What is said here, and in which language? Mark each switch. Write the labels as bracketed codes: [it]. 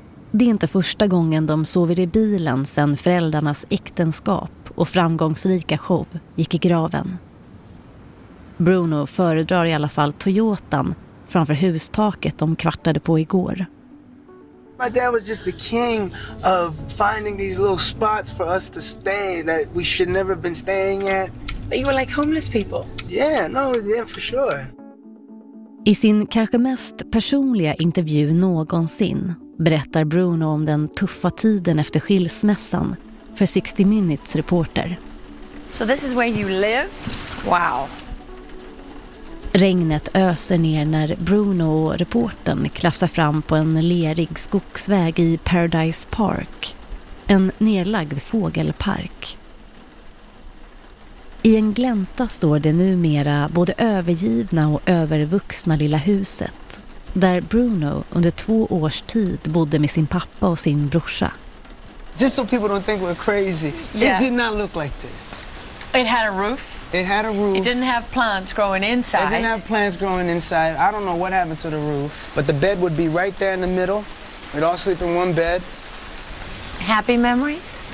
[sv] Det är inte första gången de sover i bilen sedan föräldrarnas äktenskap och framgångsrika show gick i graven. Bruno föredrar i alla fall Toyotan framför hustaket de kvartade på igår. [en] My dad was just the king of finding these little spots for us to stay that we should never been staying at. But you were like homeless people. Yeah, for sure. [sv] I sin kanske mest personliga intervju någonsin berättar Bruno om den tuffa tiden efter skilsmässan för 60 Minutes reporter. [en] So this is where you live? Wow. [sv] Regnet öser ner när Bruno och reporten klafsar fram på en lerig skogsväg i Paradise Park. En nedlagd fågelpark. I en glänta står det numera både övergivna och övervuxna lilla huset, där Bruno under 2 års tid bodde med sin pappa och sin brorsa. [en] Just so people don't think we're crazy. Yeah. It did not look like this. It had a roof. It had a roof. It didn't have plants growing inside. It didn't have plants growing inside. I don't know what happened to the roof, but the bed would be right there in the middle. We'd all sleep in one bed. Happy memories?